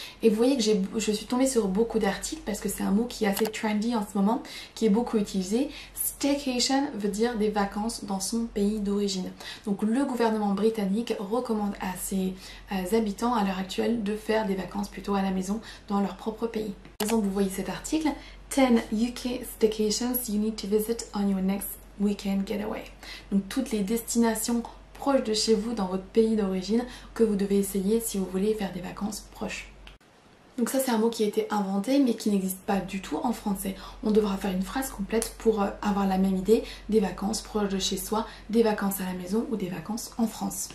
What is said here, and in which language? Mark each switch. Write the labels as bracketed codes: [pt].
[fr] Et vous voyez que je suis tombée sur beaucoup d'articles, parce que c'est un mot qui est assez trendy en ce moment, qui est beaucoup utilisé. Staycation veut dire des vacances dans son pays d'origine. Donc le gouvernement britannique recommande à ses habitants à l'heure actuelle de faire des vacances plutôt à la maison dans leur propre pays. Par exemple, vous voyez cet article. [en] 10 UK staycations you need to visit on your next weekend getaway. [fr] Donc toutes les destinations proches de chez vous dans votre pays d'origine que vous devez essayer si vous voulez faire des vacances proches. Donc ça c'est un mot qui a été inventé mais qui n'existe pas du tout en français. On devra faire une phrase complète pour avoir la même idée des vacances proches de chez soi, des vacances à la maison ou des vacances en France.